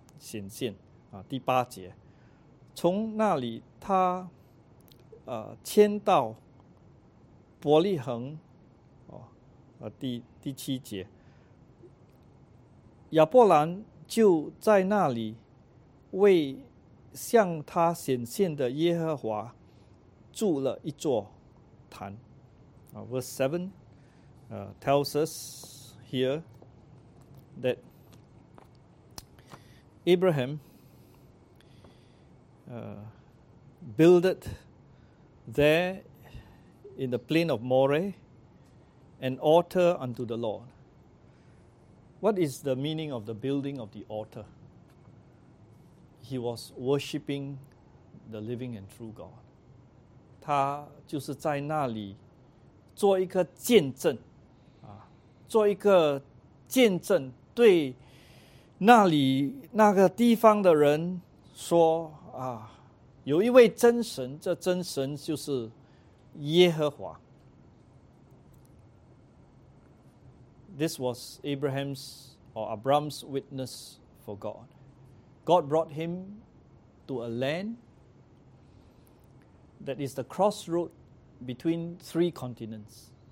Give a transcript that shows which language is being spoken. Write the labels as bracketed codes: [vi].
[zh] 他做了什么呢？亚伯兰经过那地，到了示剑地方摩利橡树那里，那时迦南人住在那里，那地耶和华向亚伯兰显现，第八节，从那里他迁到伯利恒，第七节，亚伯兰就在那里为向他显现的耶和华筑了一座坛。 [en] Verse 7 tells us here that Abraham builded there in the plain of Moreh an altar unto the Lord. What is the meaning of the building of the altar? He was worshipping the living and true God. [zh] 他就是在那里做一个见证，做一个见证，对那里那个地方的人说啊，有一位真神，这真神就是耶和华。 [en] This was Abraham's or Abram's witness for God. God brought him to a land that is the crossroad between three continents.